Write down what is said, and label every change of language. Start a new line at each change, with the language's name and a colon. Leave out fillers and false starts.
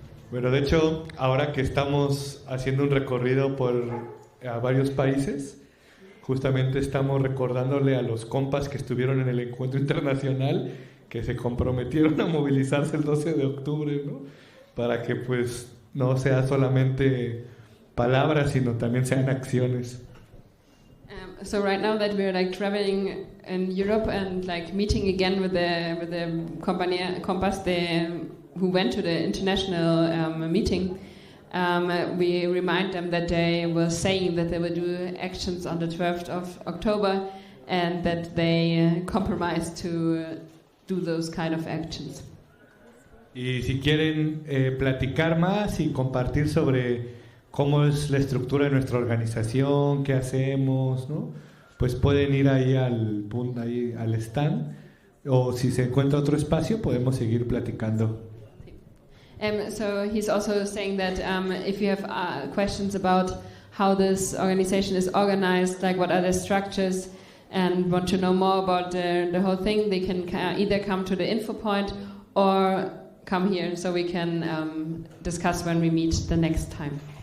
Spanish: Bueno, de hecho, ahora que estamos haciendo un recorrido por a varios países, justamente estamos recordándole a los compas que estuvieron en el encuentro internacional que se comprometieron a movilizarse el 12 de octubre, ¿no? Para que pues no sea solamente palabras, sino también sean acciones.
English: So right now that we're like traveling in Europe and like meeting again with the compas who went to the international meeting, we remind them that they were saying that they would do actions on the 12th of October and that they compromised to do those kind of actions.
Spanish: Y si quieren platicar más y compartir sobre cómo es la estructura de nuestra organización, qué hacemos, ¿no? Pues pueden ir ahí al stand, o si se encuentra otro espacio podemos seguir platicando.
English: So he's also saying that if you have questions about how this organization is organized, like what are the structures, and want to know more about the whole thing, they can either come to the info point or come here, so we can discuss when we meet the next time.